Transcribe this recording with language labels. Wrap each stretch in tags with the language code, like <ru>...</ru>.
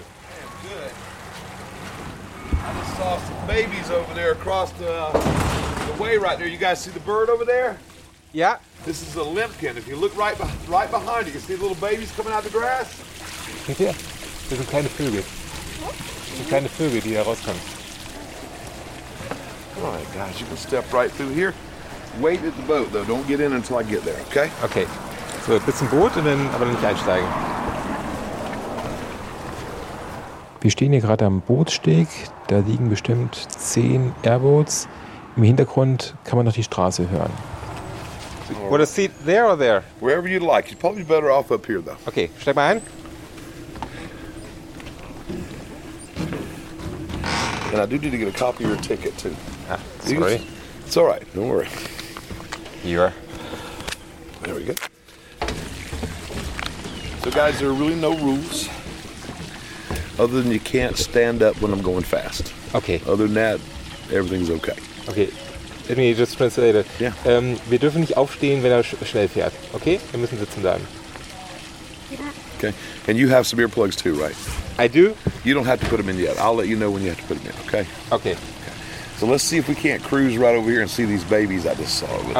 <en>I'm good. I just saw some babies over there across the way right there. You guys see the bird over there? Yeah. This is a limpkin. If you look right behind you, you see the little babies coming out of the grass? Right here. There's a</en> <de>kleine Vögel.</de> <en>There's a</en> <de>kleine Vögel, die da rauskommt.</de> <en>All right, guys, you can step right through here. Wait at the boat, though. Don't get in until I get there, okay? Okay.</en> <de>So, ein bisschen Boot, und dann aber nicht einsteigen. Wir stehen hier gerade am Bootssteg, da liegen bestimmt 10 Airboats. Im Hintergrund kann man noch die Straße hören.</de> <en>Want a seat there or there? Wherever you'd like. You're probably better off up here though.</en> <de>Okay, steig mal ein.</de> <en>And I do need to get a copy of your ticket too. Ah, sorry. It's all right, don't worry. You are. There we go. So guys, there are really no rules. Other than you can't stand up when I'm going fast. Okay. Other than that, everything's okay. Okay. Let me just translate it. Yeah.</en> <de>Wir dürfen nicht aufstehen, wenn er schnell fährt. Okay? Wir müssen sitzen bleiben.</de> <en>Okay. And you have some earplugs too, right? I do. You don't have to put them in yet. I'll let you know when you have to put them in, okay? Okay. So let's see if we can't cruise right over here and see these babies I just saw.</en>